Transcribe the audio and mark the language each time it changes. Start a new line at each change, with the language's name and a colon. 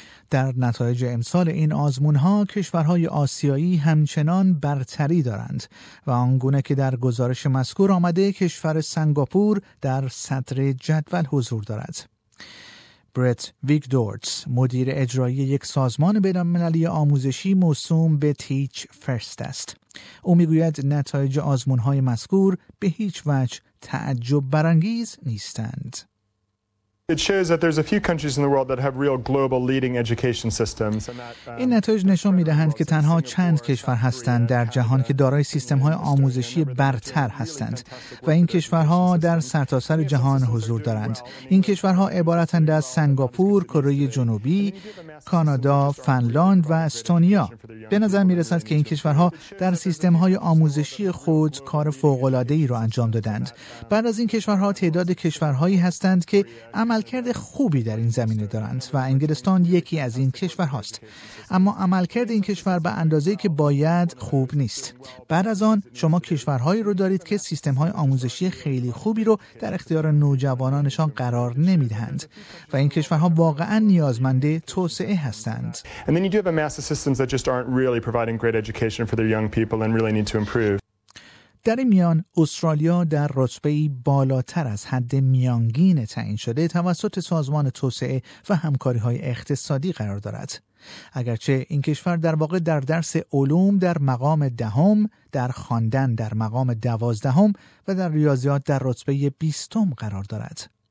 Persian: در نتایج امسال این آزمون‌ها کشورهای آسیایی همچنان برتری دارند و آنگونه که در گزارش مذکور آمده کشور سنگاپور در صدر جدول حضور دارد. برت ویگدورتس، مدیر اجرایی یک سازمان بین‌المللی آموزشی موسوم به تیچ فرست است. او می‌گوید نتایج آزمون‌های مذکور به هیچ وجه تعجب برانگیز نیستند.
English: It shows that there's a few countries in the world that have real global leading education systems.
Persian: این نتایج نشان می‌دهند که تنها چند کشور هستند در جهان که دارای سیستم‌های آموزشی برتر هستند و این کشورها در سرتاسر جهان حضور دارند. این کشورها عبارتند از سنگاپور، کره جنوبی، کانادا، فنلاند و استونیا. به نظر می‌رسد که این کشورها در سیستم‌های آموزشی خود کار فوق‌العاده‌ای را انجام دادند. بعد از این کشورها تعداد کشورهایی هستند که عملکرد خوبی در این زمینه دارند و انگلستان یکی از این کشورهاست. اما عملکرد این کشور به اندازه‌ای که باید خوب نیست. بعد از آن شما کشورهایی رو دارید که سیستم‌های آموزشی خیلی خوبی رو در اختیار نوجوانانشان قرار نمی‌دهند و این کشورها واقعاً نیازمند توسعه هستند.
English: And then you do have a mass of systems that just aren't really providing great education for their young people and really need to improve.
Persian: در این میان استرالیا در رتبه‌ای بالاتر از حد میانگین تعیین شده توسط سازمان توسعه و همکاری‌های اقتصادی قرار دارد، اگرچه این کشور در واقع در درس علوم در مقام 10، در خواندن در مقام 12 و در ریاضیات در رتبه 20 قرار دارد.